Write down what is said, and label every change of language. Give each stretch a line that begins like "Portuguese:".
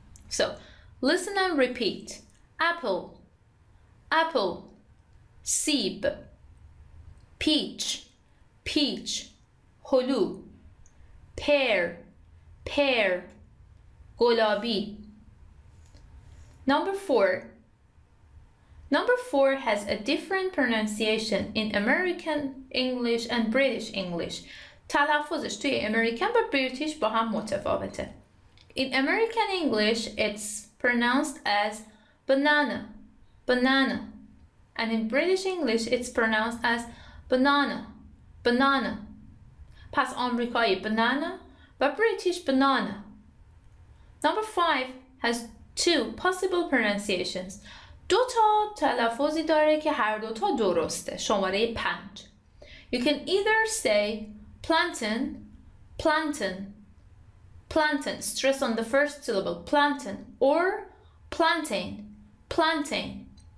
English: So, listen and repeat. Apple. Apple. سیب. Peach. Peach. هلو. Pear. Pear. گلابی. Number four has a different pronunciation in American English and British English.
Persian: تلفظش توی امریکن و بریتیش با هم متفاوته.
English: In American English, it's pronounced as banana, banana. And in British English, it's pronounced as banana, banana.
Persian: پس آمریکایی banana و بریتیش banana.
English: Number five has two possible pronunciations.
Persian: دو تا تلفظی داره که هر دو تا درسته. شماره پنج.
English: You can either say plantain, plantain, plantain, stress on the first syllable, plantain, or plantain, plantain.